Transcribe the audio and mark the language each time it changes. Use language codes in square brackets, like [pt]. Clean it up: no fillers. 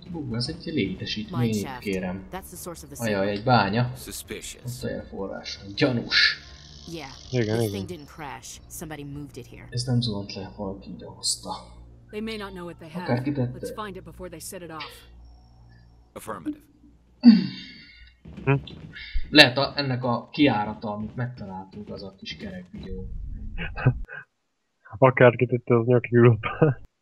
[hu] Ez egy létesítmény, kérem. Ajaj, egy bánya. Ott a forrás. Gyanús. Igen. Ez nem zuhant le, valaki ide hozta. [en] They may not know what they have. Let's find it before they set it off. Affirmative. [hu] Lehet ennek a kiárata, amit megtaláltunk, az a kis kerek videó. Akárki tette az nyaki grupa.